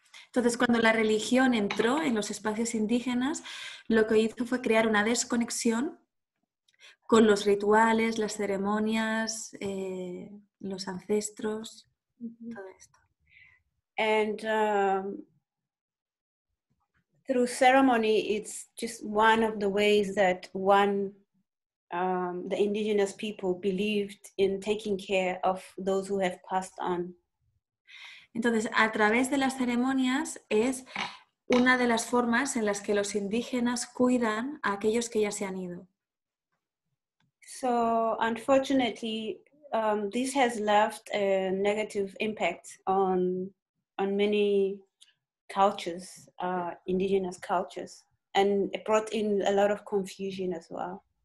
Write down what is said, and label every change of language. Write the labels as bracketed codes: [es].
[es] Entonces, cuando la religión entró en los espacios indígenas, lo que hizo fue crear una desconexión con los rituales, las ceremonias, los ancestros, todo esto. [en] And through ceremony, it's just one of the ways that the indigenous people believed in taking care of those who have passed on. [es] Entonces, a través de las ceremonias es una de las formas en las que los indígenas cuidan a aquellos que ya se han ido. [en] So, unfortunately, this has left a negative impact on many cultures, indigenous cultures, and it brought in a lot of confusion as well.